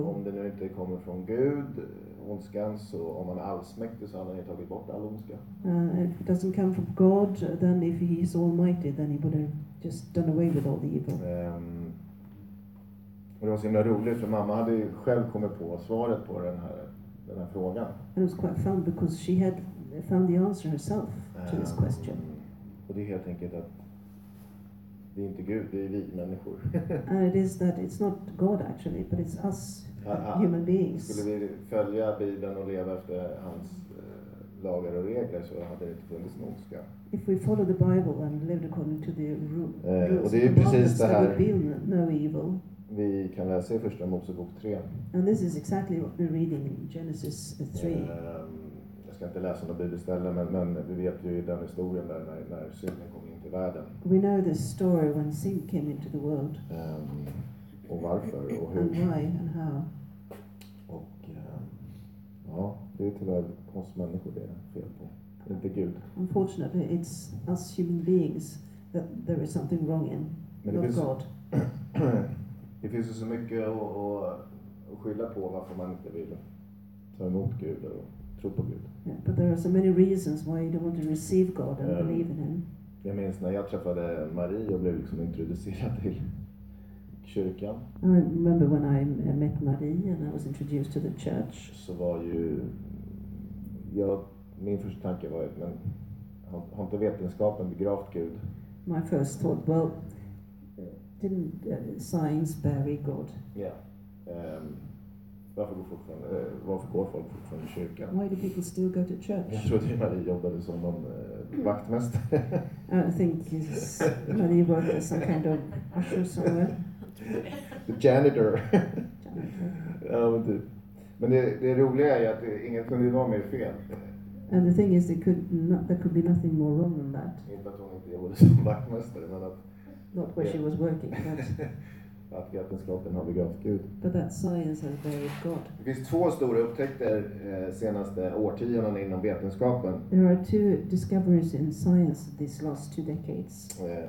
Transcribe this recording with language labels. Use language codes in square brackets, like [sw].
[sv] Om det nu inte kommer från Gud, ondskan, så om han är allsmäktig så hade han ju tagit bort all ondska. [en] If it doesn't come from God, then if he is almighty, then he would have just done away with all the evil. [sv] Och det var så himla roligt, för mamma hade ju själv kommit på svaret på den här frågan. [en] And it was quite fun because she had found the answer herself to this question. [sv] Och det är helt enkelt att det är inte Gud, det är vi människor. [en] And it is that it's not God actually, but it's us. Human beings. [sv] Skulle vi följa Bibeln och leva efter hans lagar och regler så hade det inte funnits någon ondska. [en] If we follow the Bible and lived according to the rules. [sv] Och det är precis det här. [en] No evil. [sv] Vi kan läsa i första Mosebok 3. [en] And this is exactly what we're reading in Genesis 3. [sv] Jag ska inte läsa några bibelställen, men vi vet ju den historien där när synden kom in till världen. [en] We know the story when sin came into the world. [sv] Och varför och hur. [en] And why and how. [sv] Och ja, det är tyvärr oss människor det är fel på. Inte Gud. [en] Unfortunately, it's us human beings that there is something wrong in. [sv] Men [en] not [sv] finns, [en] God. [sv] Det finns så mycket att skylla på varför man inte vill ta emot Gud och tro på Gud. [en] Yeah, but there are so many reasons why you don't want to receive God and believe in him. [sv] Jag minns när jag träffade Marie och blev liksom introducerad till kyrkan. [en] I remember when I met Marie and I was introduced to the church. [sv] Så var ju min första tanke var att, men har inte vetenskapen begravt Gud? [en] My first thought, well, didn't science bury God? Yeah. [sv] Varför går folk fortfarande i kyrkan? [en] Why do people still go to church? [sv] Jag tror att Marie jobbade som någon vaktmästare. [en] I think Marie worked as some kind of usher somewhere. The janitor. Janitor. [sv] Ja, men det roliga är ju att ingen kunde vara mer fel. [en] And the thing is, there could be nothing more wrong than that. [sv] Inte att hon inte jobbade som vaktmästare, men att... [en] Not where she was working, but... [sv] Att vetenskapen har begravt Gud. [en] But that science has buried God. [sv] Det finns två stora upptäckter senaste årtionden inom vetenskapen. [en] There are two discoveries in science these last two decades.